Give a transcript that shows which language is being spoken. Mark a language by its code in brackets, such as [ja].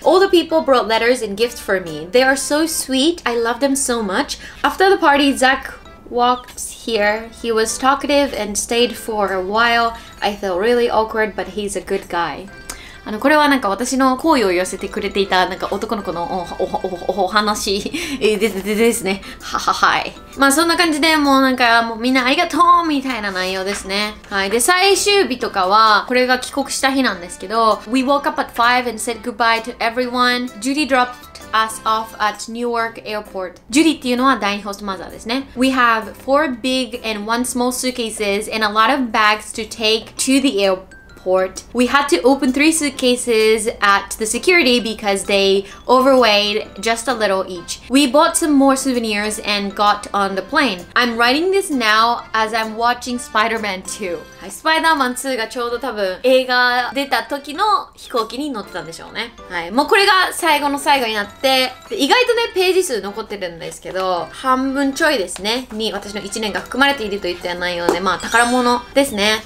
[en] All the people brought letters and gifts for me. They are so sweet. I love them so much. After the party, Zach walked here. He was talkative and stayed for a while. I felt really awkward, but he's a good guy. [ja] これはなんか私の好意を寄せてくれていたなんか男の子のお話ですね。はい。まあそんな感じで、もうなんかもうみんなありがとうみたいな内容ですね。はい。で、最終日とかは、これが帰国した日なんですけど、 [en] We woke up at 5 and said goodbye to everyone. Judy dropped us off at Newark Airport. Judy [ja] っていうのは第2ホストマザーですね。 [en] We have 4 big and 1 small suitcases and a lot of bags to take to the airport. We had to open 3 suitcases at the security because they overweighed just a little each. We bought some more souvenirs and got on the plane. I'm writing this now as I'm watching Spider-Man 2. [ja] はい、スパイダーマン2がちょうど多分映画出た時の飛行機に乗ってたんでしょうね。はい、もうこれが最後の最後になって、意外とね、ページ数残ってるんですけど、半分ちょいですねに私の1年が含まれているといった内容で、まあ宝物ですね。